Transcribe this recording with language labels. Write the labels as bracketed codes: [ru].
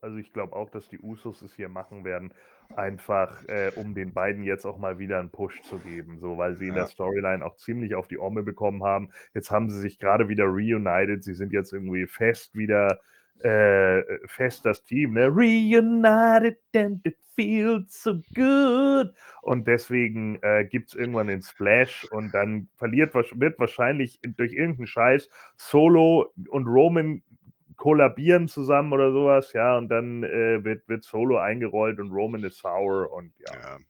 [de] Also ich glaube auch, dass die Usos es hier machen werden, einfach um den beiden jetzt auch mal wieder einen Push zu geben, so weil sie in der Storyline auch ziemlich auf die Omme bekommen haben. Jetzt haben sie sich gerade wieder reunited. Sie sind jetzt irgendwie fest wieder fest das Team, ne? [en] Reunited and it feels so good. [de] Und deswegen gibt es irgendwann den Splash und dann wird wahrscheinlich durch irgendeinen Scheiß Solo und Roman kollabieren zusammen oder sowas, ja, und dann wird Solo eingerollt und Roman ist sour und ja.